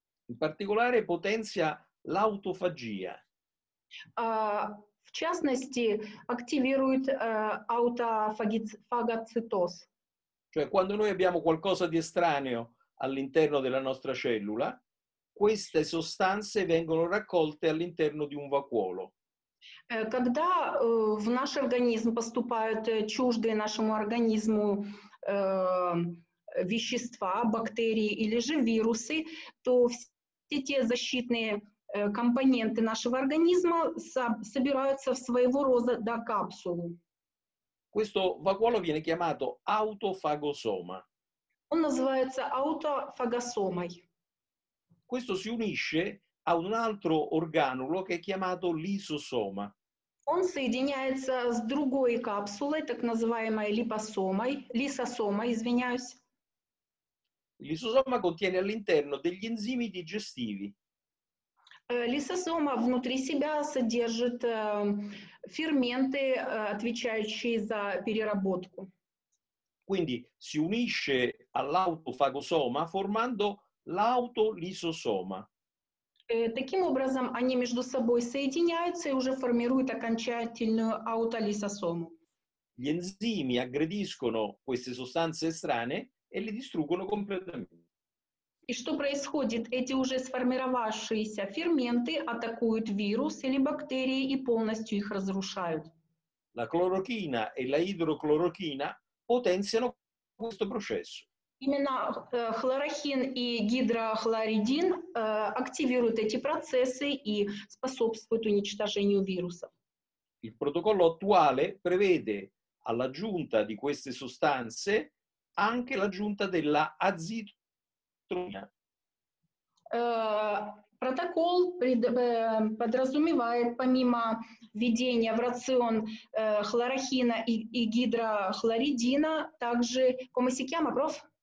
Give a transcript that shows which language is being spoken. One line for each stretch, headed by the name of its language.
Italian: In particolare potenzia l'autofagia.
Russian: В частности, активирует аутофагоцитоз.
Italian: Cioè, quando noi abbiamo qualcosa di estraneo all'interno della nostra cellula, queste sostanze vengono raccolte all'interno di un vacuolo.
Russian: Когда в наш организм поступают чуждые нашему организму вещества, бактерии или же вирусы, то все те защитные компоненты нашего организма собираются в своего рода капсулу.
Italian: Questo vacuolo viene chiamato autofagosoma.
Russian: Он называется аутофагосомой.
Italian: Questo si unisce a un altro organulo che è chiamato lisosoma.
Russian: Он соединяется с другой капсулой, так называемой липосомой, лисосомой, извиняюсь.
Italian: Лисосома contiene all'interno degli enzimi digestivi.
Russian: Лисосома внутри себя содержит ферменты, отвечающие за переработку.
Italian: Quindi si unisce all'autofagosoma formando l'autolisosoma.
Russian: Таким образом, они между собой соединяются и уже формируют окончательную аутолизосому.
Italian: Gli enzimi aggrediscono queste sostanze estranee e le distruggono completamente.
Russian: И что происходит? Эти уже сформировавшиеся ферменты атакуют вирус или бактерии и полностью их разрушают.
Italian: La clorochina e la idroclorochina potenziano questo processo.
Russian: Именно хлорохин и гидрохлоридин активируют эти процессы и способствуют уничтожению вируса.
Italian: Il protocollo attuale prevede all'aggiunta di queste sostanze anche l'aggiunta della azitromicina.
Russian: Протокол подразумевает помимо введения в рацион хлорохина и гидрохлоридина также комосикиама, проф.